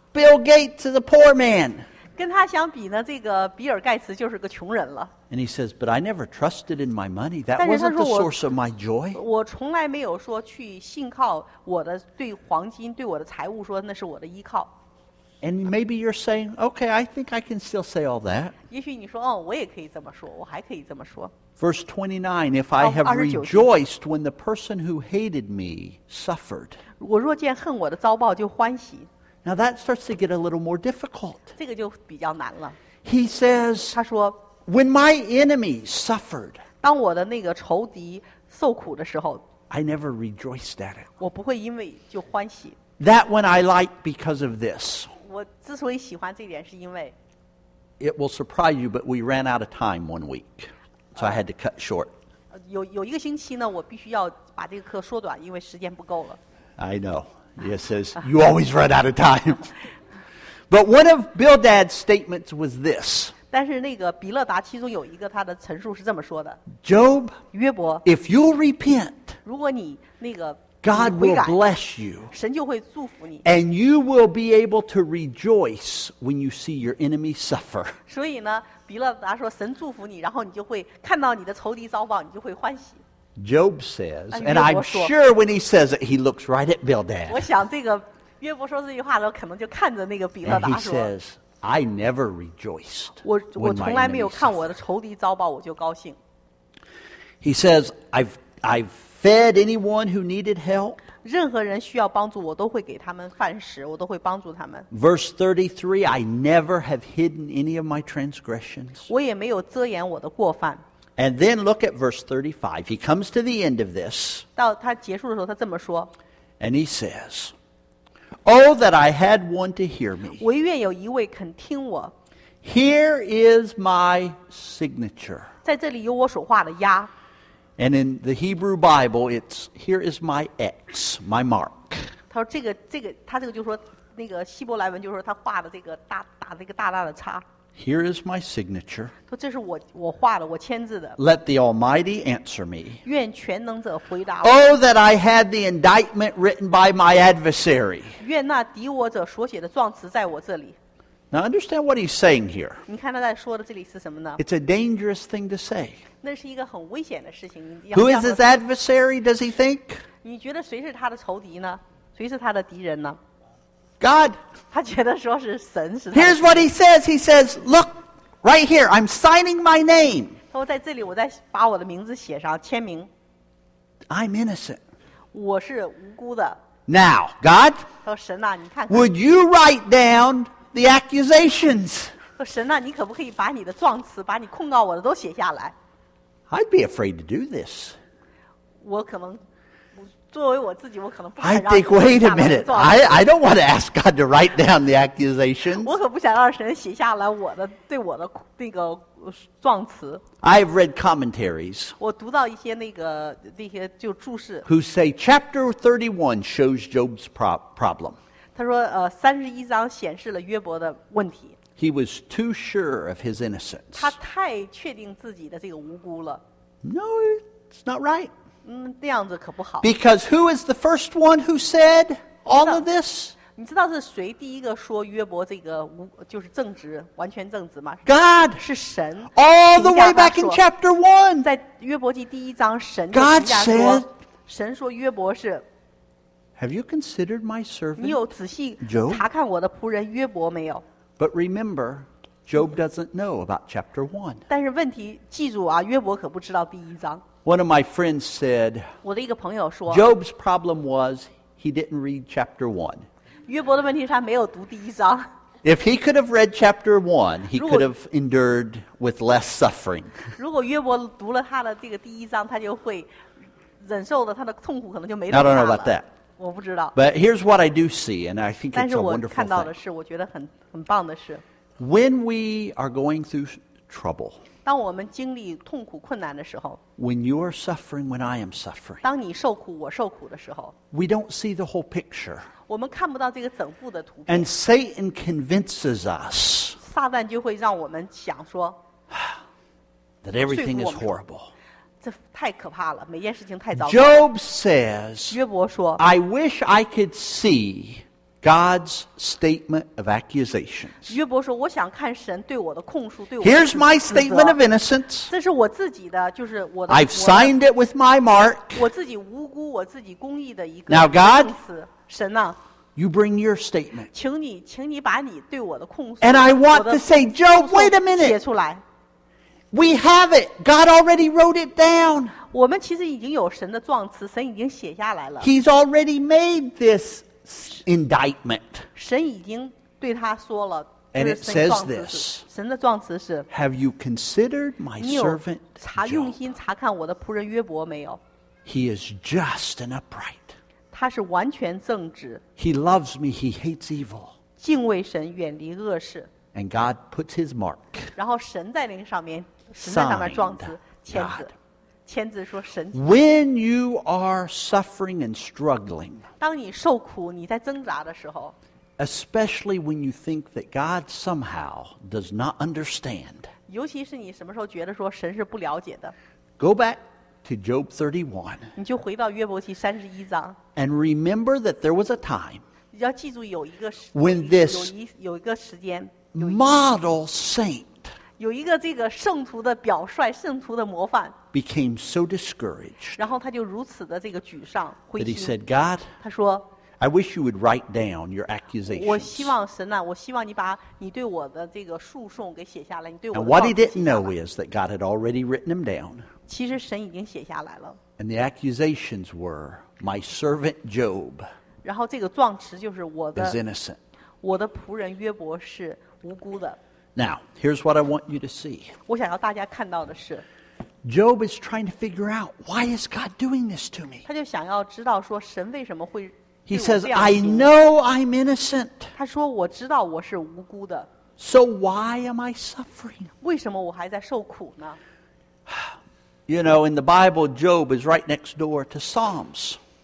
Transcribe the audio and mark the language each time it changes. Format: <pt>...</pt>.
<en>He puts Bill Gates is a poor man</en> <zh>跟他相比呢这个比尔盖茨就是个穷人了</zh> <en>And he says but I never trusted in my money That wasn't the source of my joy</en> <zh>我从来没有说去信靠我的对黄金对我的财物说那是我的依靠</zh> <en>And maybe you're saying Okay I think I can still say all that</en> <zh>也许你说哦，我也可以这么说我还可以这么说</zh> <en>Verse 29 If I have rejoiced when the person who hated me suffered</en> <zh>我若见恨我的遭报就欢喜</zh> <en>Now that starts to get a little more difficult</en> <zh>这个就比较难了</zh> <en>He says</en> <zh>他说</zh> <en>When my enemy suffered</en> <zh>当我的那个仇敌受苦的时候</zh> <en>I never rejoiced at it.</en> <zh>我不会因为就欢喜。</zh> <en>That one I like because of this.</en> <zh>我之所以喜欢这点是因为。</zh> <en>It will surprise you, but we ran out of time one week. So I had to cut short.</en> <zh>有一个星期呢我必须要把这个课缩短因为时间不够了。</zh> <en>I know. It says, you always run out of time. But one of Bildad's statements was this.</en> <zh>但是那个比勒达其中有一个他的陈述是这么说的</zh> <en>Job</en> <zh>约伯</zh> <en>If you repent</en> <zh>如果你那个</zh> <en>God will bless you</en> <zh>神就会祝福你</zh> <en>And you will be able to rejoice when you see your enemy suffer</en> <zh>所以呢比勒达说神祝福你然后你就会看到你的仇敌遭报你就会欢喜</zh> <en>Job says And I'm sure when he says it he looks right at Bildad</en> <zh>我想这个约伯说这句话的时候可能就看着那个比勒达说</zh> <en>And he says,I never rejoiced.</en> <zh>我从来没有看我的仇敌遭报我就高兴。</zh> <en>He says, I've fed anyone who needed help.</en> <zh>任何人需要帮助我都会给他们饭食我都会帮助他们。</zh> <en>Verse 33, I never have hidden any of my transgressions.</en> <zh>我也没有遮掩我的过犯。</zh> <en>And then look at verse 35. He comes to the end of this.</en> <zh>到他结束的时候他这么说。</zh> <en>And he says,Oh, that I had one to hear me.</en> <zh>唯愿有一位肯听我。</zh> <en>Here is my signature.</en> <zh>在这里有我所画的押。</zh> <en>And in the Hebrew Bible, it's here is my X, my mark.</en> <zh>他说这个，他这个就是说，那个希伯来文就是说他画的这个大打这个大大的叉。</zh> <en>Here is my signature.</en> <zh>说这是我画的，我签字的。</zh> <en>Let the Almighty answer me.</en> <zh>愿全能者回答我。</zh> <en>Oh, that I had the indictment written by my adversary.</en> <zh>愿那敌我者所写的状词在我这里。</zh> <en>Now understand what he's saying here.</en> <zh>你看他在说的这里是什么呢?</zh> <en>It's a dangerous thing to say.</en> <zh>那是一个很危险的事情。</zh> <en>Who is his adversary, does he think?</en> <zh>你觉得谁是他的仇敌呢? 谁是他的敌人呢?</zh> <en>God.</en> <zh>他觉得说是神是他的。</zh> <en>Here's what he says. He says, look, right here, I'm signing my name.</en> <zh>他说在这里我在把我的名字写上签名。</zh> <en>I'm innocent.</en> <zh>我是无辜的。</zh> <en>Now, God.</en> <zh>他说神啊,你看看。</zh> <en>Would you write down... The accusations.</en> <zh>说神啊，你可不可以把你的状词，把你控告我的都写下来</zh> <en>？I'd be afraid to do this.</en> <zh>我可能，作为我自己，我可能不敢。</zh> <en>I think, wait a minute. I don't want to ask God to write down the accusations.</en> <zh>我可不想让神写下来我的对我的那个状词。</zh> <en>I've read commentaries.</en> <zh>我读到一些那些就注释。</zh> <en>Who say chapter 31 shows Job's problem?</en> <zh>他说31章显示了约伯的问题。</zh> <en>He was too sure of his innocence.</en> <zh>他太确定自己的这个无辜了。</zh> <en>No, it's not right.</en> <zh>这样子可不好。</zh> <en>Because who is the first one who said all of this?</en> <zh>你知道是谁第一个说约伯这个无就是正直完全正直吗</zh> <en>?God!</en> <zh>是神。</zh> <en>All the way back in chapter 1!</en> <zh>在约伯记第一章神就评价说</zh> <en>God said,</en> <zh>神说约伯是</zh> <en>Have you considered my servant?</en> <zh>你有仔细查看我的仆人约伯没有?</zh> <en>But remember, Job doesn't know about chapter 1.</en> <zh>但是问题,记住啊,约伯可不知道第一章。</zh> <en>One of my friends said,</en> <zh>我的一个朋友说,</zh> <en>Job's problem was he didn't read chapter 1.</en> <zh>约伯的问题是他没有读第一章。</zh> <en>If he could have read chapter 1, he could have endured with less suffering.</en> <zh>如果约伯读了他的这个第一章,他就会忍受了他的痛苦可能就没那么大了。</zh> <en>I don't know about that.</en> <zh>我不知道。</zh> <en>But here's what I do see, and I think it's a wonderful thing.</en> <zh>但是我看到的是，我觉得很棒的是。</zh> <en>When we are going through trouble,</en> <zh>当我们经历痛苦困难的时候</zh> <en>，When you are suffering, when I am suffering,</en> <zh>当你受苦我受苦的时候</zh> <en>，We don't see the whole picture.</en> <zh>我们看不到这个整幅的图片。</zh> <en>And Satan convinces us.</en> <zh>撒旦就会让我们想说</zh> <en>，That everything is horrible.</en> <zh>这太可怕了，每件事情太糟糕。</zh> <en>Job says,</en> <zh>约伯说</zh> <en>I wish I could see God's statement of accusations.</en> <zh>约伯说我想看神对我的控诉，对我</zh> <en>Here's my statement of innocence.</en> <zh>这是我自己的，就是我的。</zh> <en>I've signed it with my mark.</en> <zh>我自己无辜，我自己公义的一个。</zh> <en>Now God,</en> <zh>神啊。</zh> <en>You bring your statement.</en> <zh>请你把你对我的控诉。</zh> <en>And I want to say, Job, wait a minute.</en> <zh>写出来。</zh> <en>We have it. God already wrote it down.</en> <zh>我们其实已经有神的状词，神已经写下来了。</zh> <en>He's already made this indictment.</en> <zh>神已经对他说了。</zh> <en>And it says this.</en> <zh>神的状词是。</zh> <en>Have you considered my servant Job?</en> <zh>你有查用心查看我的仆人约伯没有？</zh> <en>He is just and upright.</en> <zh>他是完全正直。</zh> <en>He loves me. He hates evil.</en> <zh>敬畏神，远离恶事。</zh> <en>And God puts His mark.</en> <zh>然后神在那个上面，神在上面状词签字，签字说神。</zh> <en>When you are suffering and struggling,</en> <zh>当你受苦，你在挣扎的时候</zh> <en>，especially when you think that God somehow does not understand,</en> <zh>尤其是你什么时候觉得说神是不了解的</zh> <en>，Go back to Job 31.</en> <zh>你就回到约伯记31章</zh> <en>，and remember that there was a time.</en> <zh>你要记住有一个时</zh> <en>when this</en> <zh>有一个时间。</zh> <en>Model saint,</en> <zh>有一个这个圣徒的表率，圣徒的模范</zh> <en>became so discouraged.</en> <zh>然后他就如此的这个沮丧，灰心。</zh> <en>That he said, God,</en> <zh>他说</zh> <en>，I wish you would write down your accusations.</en> <zh>我希望神啊，我希望你把你对我的这个诉讼给写下来，你对我的。</zh> <en>And what he didn't know is that God had already written them down.</en> <zh>其实神已经写下来了。</zh> <en>And the accusations were my servant Job.</en> <zh>然后这个状词就是我的</zh> <en>is innocent.</en> <zh>我的仆人约伯是。</zh> <en>Now, here's what I want you to see.</en> <zh>我想要大家看到的是</zh> <en>Job is trying to figure out why is God doing this to me.</en> <zh>他就想要知道说神为什么会</zh> <en>He says, I know I'm innocent.</en> <zh>他说我知道我是无辜的</zh> <en>So why am I suffering?</en> <zh>为什么我还在受苦呢</zh> <en>You know, in the Bible, Job is right next door to Psalms.</en>